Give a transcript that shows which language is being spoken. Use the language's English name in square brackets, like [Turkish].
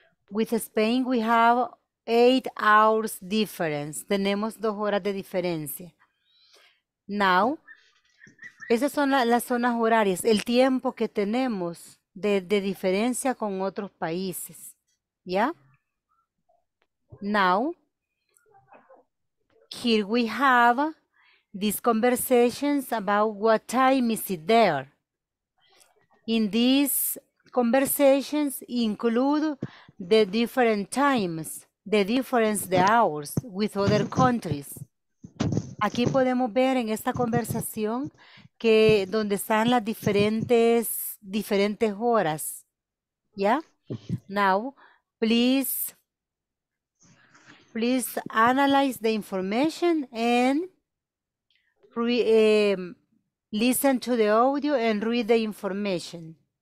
[English] With Spain, we have 8 hours difference. [Spanish] Tenemos 2 horas de diferencia. Now, esas son las zonas horarias, el tiempo que tenemos de diferencia con otros países, ¿ya? [English] Now, here we have these conversations about what time is it there. In this conversations include the different times, the difference, the hours with other countries. [Spanish] Aquí podemos ver en esta conversación que donde están las diferentes horas. [English] Yeah? Now, please analyze the information and listen to the audio and read the information.